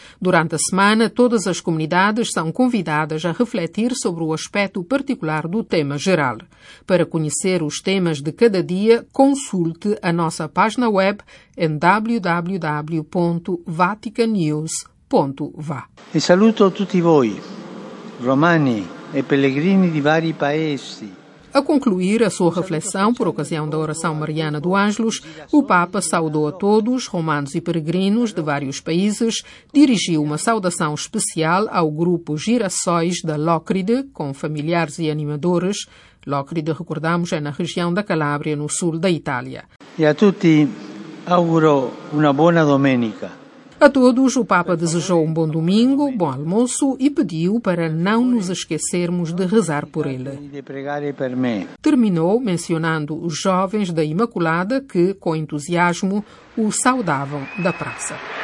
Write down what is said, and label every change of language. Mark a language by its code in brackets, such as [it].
[pt] Durante a semana, todas as comunidades são convidadas a refletir sobre o aspecto particular do tema geral. Para conhecer os temas de cada dia, consulte a nossa página web em www.vaticannews.va. [it] E saluto a tutti voi. Romani e pellegrini di vari paesi. [pt] A concluir a sua reflexão por ocasião da oração mariana do Ângelus, o Papa saudou a todos, romanos e peregrinos de vários países, dirigiu uma saudação especial ao grupo Girassóis da Lócride, com familiares e animadores. Lócride, recordamos, é na região da Calábria, no sul da Itália. [it] E a tutti auguro una buona domenica. [pt] A todos, o Papa desejou um bom domingo, bom almoço e pediu para não nos esquecermos de rezar por ele. Terminou mencionando os jovens da Imaculada que, com entusiasmo, o saudavam da praça.